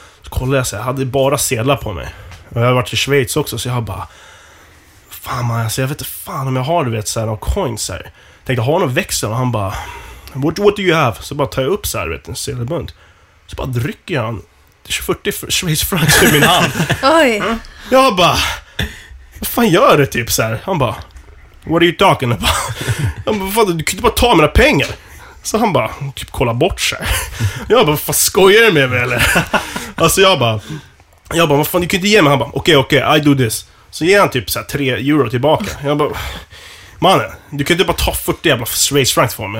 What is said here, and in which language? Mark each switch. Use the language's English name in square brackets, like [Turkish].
[Swedish] Så kollade jag så här, jag hade bara sedlar på mig. Jag har varit i Schweiz också, så jag bara, fan man, alltså, jag vet inte fan om jag har, du vet, så här, någon coins här. Tänkte, har någon växel? Och han bara, [English] what do you have? [Swedish] Så bara tar jag upp så här, vet, en sedelbund. Så bara drycker han 40 Schweiz francs i min hand. Oj. Jag bara, vad fan gör du typ så här? Han bara, [English] what are you talking about? [Swedish] Han bara, fan, du kan inte bara ta mina pengar. Så han bara, typ kolla bort så här. Jag bara, fan, skojar du med mig eller? Alltså jag bara, jag bara, vad fan, du kan inte ge mig. Han bara, okej, [English] I do this. [Swedish] Så ger han typ så här 3 euro tillbaka. Jag bara, mannen, du kan inte bara ta 40 jävla Swiss francs för mig.